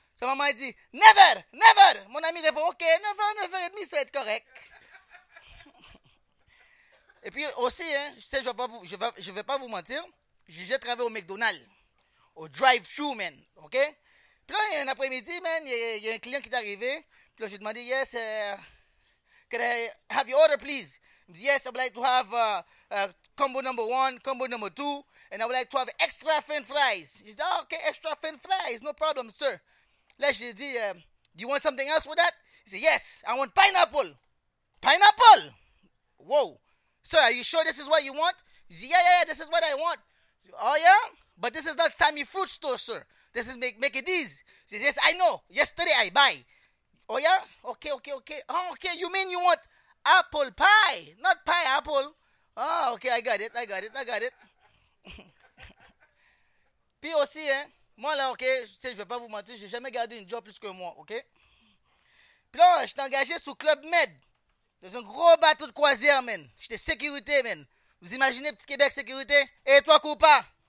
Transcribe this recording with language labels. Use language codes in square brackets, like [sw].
[fr] Sa maman, elle dit, [en] never, never. [fr] Mon ami répond, OK, 9h, 9h30, ça va être correct. Et puis aussi, hein, je sais, je vais pas vous mentir. J'ai travaillé au McDonald's, au drive-thru, man, OK? Puis là, un après-midi, man, il y a un client qui est arrivé. Puis là, j'ai demandé, [en] yes, can I have your order, please? [fr] Il me dit, [en] yes, I would like to have combo number one, combo number two, and I would like to have extra french fries. [fr] Je dis, [en] oh, OK, extra french fries, no problem, sir. [fr] Là, j'ai dit, [en] do you want something else with that? [fr] Il dit, [en] yes, I want pineapple. Pineapple? Whoa. Sir, are you sure this is what you want? [fr] Il dit, [en] yeah, this is what I want. Oh yeah, but this is not Sammy Fruit Store, sir. This is make it easy. He says, yes, I know. Yesterday I buy. Oh yeah, okay. Oh okay, you mean you want apple pie, not pie apple? Oh okay, I got it. [fr] Puis aussi, hein, moi là, ok, tu sais, je vais pas vous mentir, j'ai jamais gardé une job plus que moi, ok. Puis là, j'étais engagé sous Club Med, dans un gros bateau de croisière, man. J'étais sécurité, man. Vous imaginez, petit Québec, sécurité? Hé, hey, toi, Koupa!